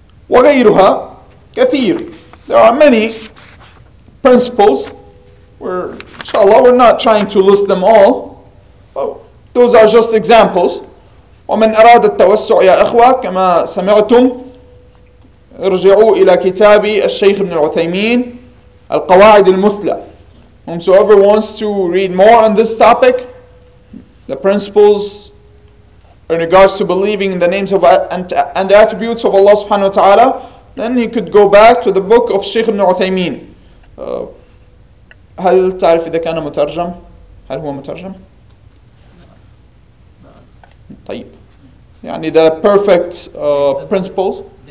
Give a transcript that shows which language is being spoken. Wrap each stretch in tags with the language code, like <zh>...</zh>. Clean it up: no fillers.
<ar>وغيرها كثير.</ar> <en>There are many principles. We're, inshallah, we're not trying to list them all, but Those are just examples.</en> <ar>ومن أراد التوسع يا إخوة كما سمعتم ارجعوا إلى كتاب الشيخ ابن العثيمين القواعد المثلى.</ar> <en>Whoever wants to read more on this topic, the principles in regards to believing in the names of and attributes of Allah subhanahu wa ta'ala, then he could go back to the book of Sheikh ibn Uthaymeen.</en> <ar>هل تعرف إذا كان مترجم؟ هل هو مترجم؟ طيب.</ar> <en>يعني the perfect principles.</en>